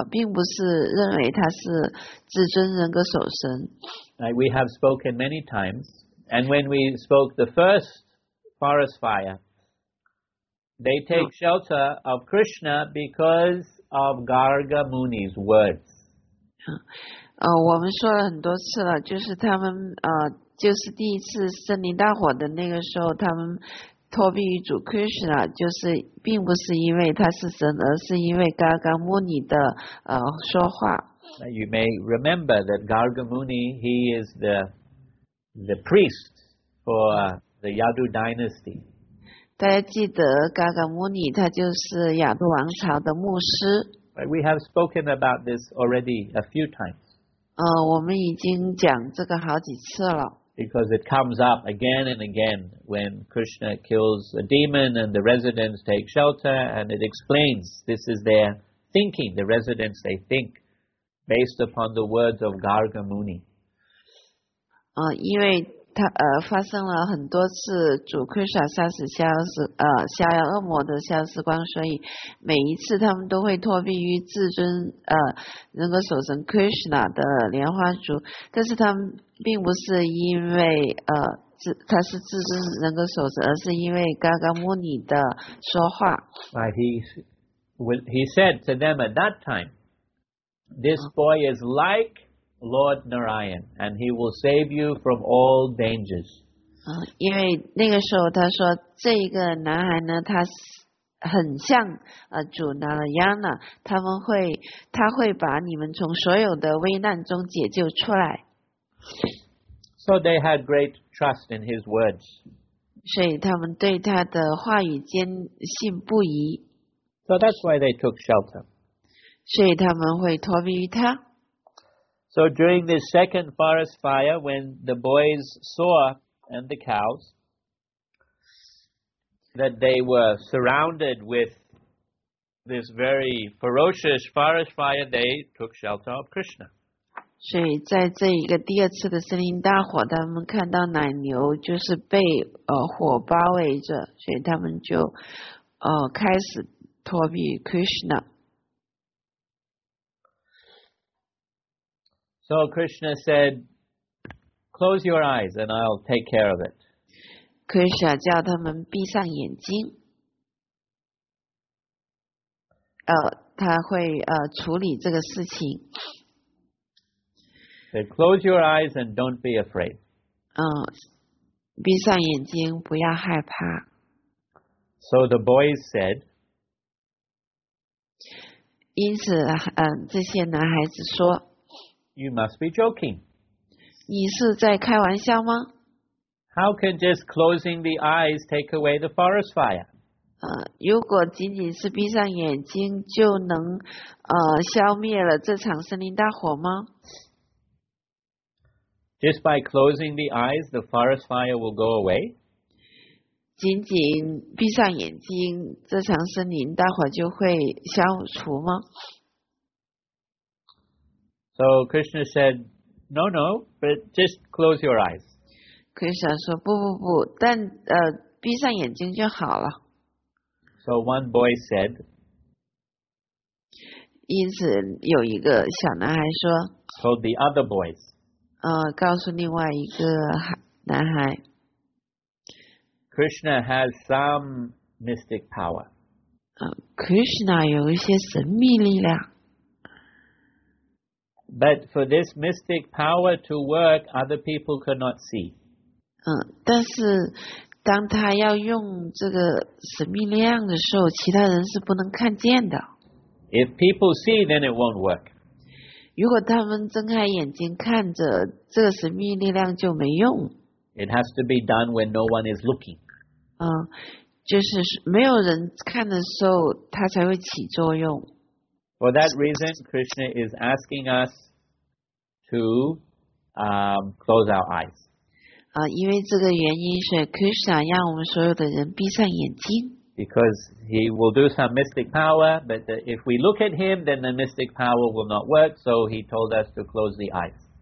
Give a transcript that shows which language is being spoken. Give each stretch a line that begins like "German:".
Chinese: 并不是认为他是至尊人格首身。
English: We have spoken many times, and when we spoke the first forest fire, they take shelter of Krishna because of Garga Muni's words.
Chinese: 我们说了很多次了，就是他们就是第一次森林大火的那个时候，他们托庇于主 Krishna， 就是并不是因为他是神，而是因为 Garga Muni 的说话。
English: You may remember that Garga Muni, he is the priest for the Yadu dynasty.
Chinese: 大家记得 Garga Muni， 他就是亚都王朝的牧师。
English: We have spoken about this already a few times.
Chinese: 我们已经讲这个好几次了。
English: Because it comes up again and again when Krishna kills a demon and the residents take shelter, and it explains this is their thinking. The residents, they think based upon the words of Garga Muni.
Chinese: 因为他发生了很多次主 Krishna 杀死下妖恶魔的下时光，所以每一次他们都会托庇于至尊人格首神 Krishna 的莲花烛，但是他们并不是因为他是至尊人格首神，而是因为 Garga Muni 的说话。
English: He said to them at that time, this boy is like Lord Narayan, and he will save you from all dangers.
Chinese: 因为那个时候他说这个男孩呢，他很像主 Narayana， 他会把你们从所有的危难中解救出来。
English: So they had great trust in his words.
Chinese: 所以他们对他的话语坚信不疑。
English: So that's why they took shelter.
Chinese: 所以他们会托庇于他。
English: So during this second forest fire, when the boys saw and the cows that they were surrounded with this very ferocious forest fire, they took shelter of Krishna.
Chinese: 所以在这一个第二次的森林大火，他们看到奶牛就是被火包围着，所以他们就开始托庇 Krishna。
English: So Krishna said, close your eyes and I'll take care of it.
Chinese: Krishna 叫他们闭上眼睛，他会处理这个事情。
English: So close your eyes and don't be afraid.
Chinese: 闭上眼睛，不要害怕。
English: So the boys said,
Chinese: 因此这些男孩子说，
English: You must be joking.
Chinese: 你是在开玩笑吗？
English: How can just closing the eyes take away the forest fire?
Chinese: 如果仅仅是闭上眼睛就能消灭了这场森林大火吗？
English: Just by closing the eyes, the forest fire will go away?
Chinese: 仅仅闭上眼睛，这场森林大火就会消除吗？
English: So Krishna said, no, no, but just close your eyes.
Chinese: Krishna 说不不不，但闭上眼睛就好了。
English: So one boy said,
Chinese: 因此有一个小男孩说，
English: told the other boys,
Chinese: 告诉另外一个男孩，
English: Krishna has some mystic power.
Chinese: Krishna 有一些神秘力量。
English: But for this mystic power to work, other people could not see.
Chinese: 但是当他要用这个神秘力量的时候，其他人是不能看见的。
English: If people see, then it won't work.
Chinese: 如果他们睁开眼睛看着，这个神秘力量就没用。
English: It has to be done when no one is looking.
Chinese: 就是没有人看的时候，它才会起作用。
English: For that reason, Krishna is asking us to close our eyes.
Chinese: 因为这个原因，所以 Krishna 让我们所有的人闭上眼睛。
English: Because he will do some mystic power, but if we look at him, then the mystic power will not work, so he told us to close the eyes.